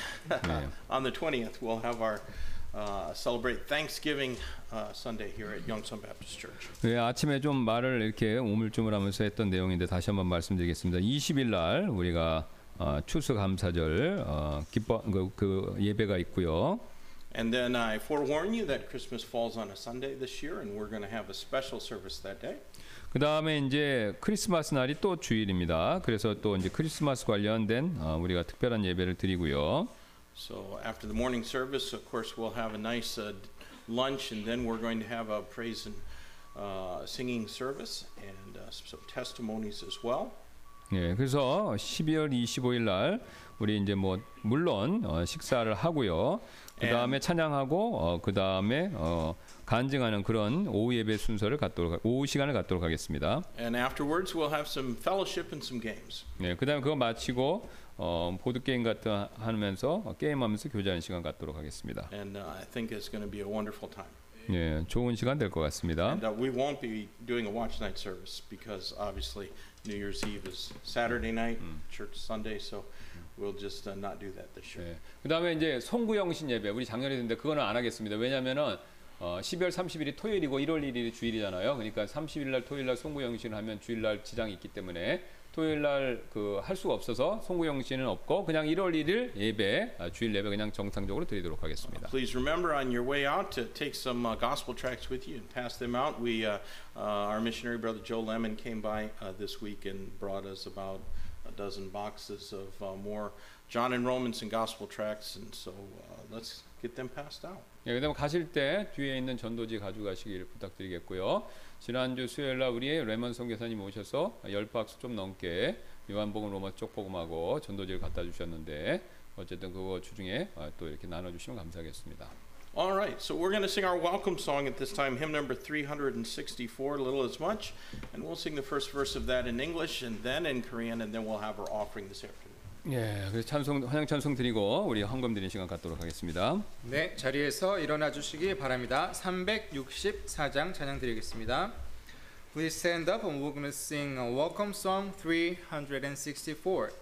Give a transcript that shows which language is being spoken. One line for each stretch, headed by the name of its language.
English: But on the 20th, we'll have our celebrate Thanksgiving Sunday here at Yongsan Baptist Church.
Korean: 네, 아침에 좀 말을 이렇게 오물쭈물하면서 했던 내용인데 다시 한번 말씀드리겠습니다. 20일 날 우리가 추수 감사절 그 예배가 있고요.
English: And then I forewarn you that Christmas falls on a Sunday this year, and we're going to have a special service that day.
Korean: 그 다음에 이제 크리스마스 날이 또 주일입니다. 그래서 또 이제 크리스마스 관련된 우리가 특별한 예배를 드리고요.
English: So after the morning service, of course, we'll have a nice lunch, and then we're going to have a praise and singing service, and some testimonies as well.
Korean: 예, 그래서 12월 25일 날 우리 이제 뭐 물론 식사를 하고요. 그 다음에 찬양하고 그 다음에 간증하는 그런 오후 예배 순서를 갖도록 오후 시간을 갖도록 하겠습니다.
English: And afterwards we'll have some fellowship and some games.
Korean: 네, 그 다음에 그거 마치고 보드 게임 같은 하면서 게임하면서 교제하는 시간 갖도록 하겠습니다.
English: And I think it's going to be a wonderful time.
Korean: 네, 좋은 시간 될 것 같습니다.
English: And we won't be doing a watch night service because obviously New Year's Eve is Saturday night, church Sunday, so. We'll just not do that this year. 네.
Korean: 그다음에 이제 송구영신 예배 우리 작년에 했는데 그거는 안 하겠습니다. 왜냐하면은 12월 30일이 토요일이고 1월 1일이 주일이잖아요. 그러니까 30일날 토요일날 송구영신을 하면 주일날 지장이 있기 때문에 토요일날 그 할 수가 없어서 송구영신은 없고 그냥 1월 1일 예배 주일 예배 그냥 정상적으로 드리도록 하겠습니다.
English: Please remember on your way out to take some gospel tracts with you and pass them out. We our missionary brother Joe Lemon came by this week and brought us about dozen boxes of more John and Romans and gospel tracts, and so let's get them passed out.
Korean: 예, 그다음 가실 때 뒤에 있는 전도지 가져가시길 부탁드리겠고요. 지난주 수요일 날 우리의 레먼 선교사님 오셔서 열 박스 좀 넘게 요한복음 로마 쪽 복음하고 전도지를 갖다 주셨는데 어쨌든 그거 주중에 또 이렇게 나눠 주시면 감사하겠습니다.
English: All right. So we're going to sing our welcome song at this time, hymn number 364, Little as Much, and we'll sing the first verse of that in English and then in Korean and then we'll have our offering this afternoon.
Korean: 예, 그래서 찬송 환영 찬송 드리고 우리 헌금 드리는 시간 갖도록 하겠습니다. 네, 자리에서 일어나 주시기 바랍니다. 364장 찬양 드리겠습니다.
English: Please stand up and we're going to sing a welcome song 364.